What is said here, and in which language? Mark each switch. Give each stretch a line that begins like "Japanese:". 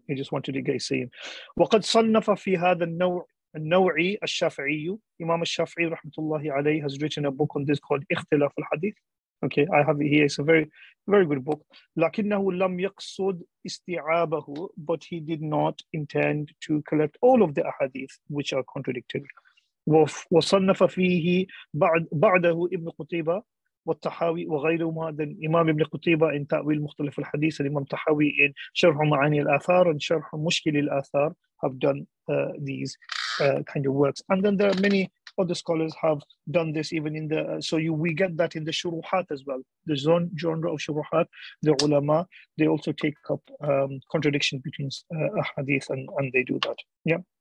English: He just wanted to get seen.
Arabic: وَقَدْ صَنَّفَ فِي هَذَا النَّوْعِ النوعي الشافعي
English: Imam al-Shafi'i rahmatullahi alayhi has written a book on this called اختلاف الحديث. Okay, I have it here. It's a very, very good book.
Arabic: لكنه لم يقصد استيعابه,
English: but he did not intend to collect all of the ahadith which are contradictory.
Arabic: وصنف فيه بعده ابن قتيبة والتحاوي وغيرهما.
English: Then Imam ibn Qutayba in تأويل مختلف الحديث, and Imam Tahawi in شرح معاني الآثار and شرح مشكل الآثار have done these kind of works. And then there are many other scholars have done this even in the we get that in the shuruhat as well. The genre of shuruhat, the ulama, they also take up contradiction between ahadith and they do that. Yeah.